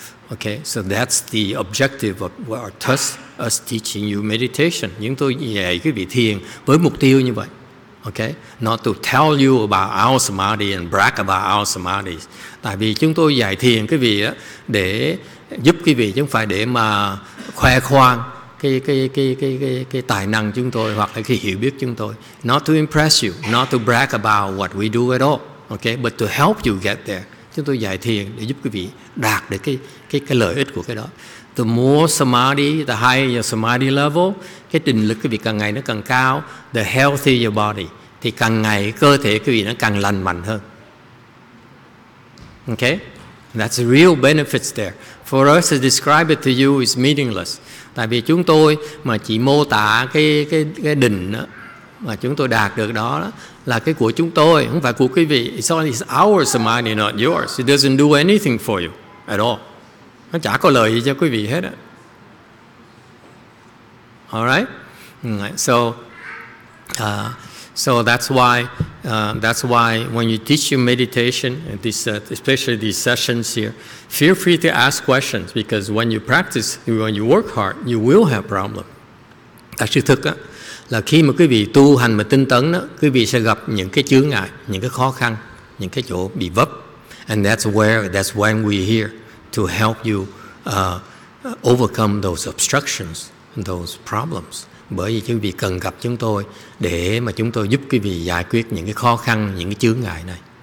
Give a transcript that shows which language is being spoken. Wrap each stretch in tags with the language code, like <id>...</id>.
<en>Okay, so that's the objective of what us teaching you meditation.</en> <vi>Những tôi dạy quý vị thiền với mục tiêu như vậy.</vi> <en>Okay, not to tell you about our samadhi and brag about our samadhi.</en> <vi>Tại vì chúng tôi dạy thiền quý vị á, để giúp quý vị, chứ không phải để mà khoe khoang cái tài năng chúng tôi hoặc là cái hiểu biết chúng tôi.</vi> <en>Not to impress you, not to brag about what we do at all, okay, but to help you get there.</en> <vi>Chúng tôi dạy thiền để giúp quý vị đạt được cái lợi ích của cái đó.</vi> <en>The more samadhi, the higher your samadhi level,</en> <vi>cái định lực quý vị càng ngày nó càng cao,</vi> <en>the healthier your body,</en> <vi>thì càng ngày cơ thể quý vị nó càng lành mạnh hơn.</vi> <en>Okay, that's the real benefits there. For us to describe it to you is meaningless.</en> <vi>Tại vì chúng tôi mà chỉ mô tả cái định đó, mà chúng tôi đạt được đó, đó là cái của chúng tôi, không phải của quý vị.</vi> <en>So it's our samadhi, not yours. It doesn't do anything for you at all.</en> <vi>Nó chả có lợi gì cho quý vị hết.</vi> <en>Alright? So that's why when you teach your meditation, especially these sessions here, feel free to ask questions, because when you practice, when you work hard, you will have problem.</en> <vi>Thật sự thực là khi mà quý vị tu hành mà tinh tấn, quý vị sẽ gặp những cái chướng ngại, những cái khó khăn, những cái chỗ bị vấp.</vi> <en>And that's when we're here to help you overcome those obstructions, those problems.</en> <vi>Bởi vì quý vị cần gặp chúng tôi để mà chúng tôi giúp quý vị giải quyết những cái khó khăn, những cái chướng ngại này.</vi>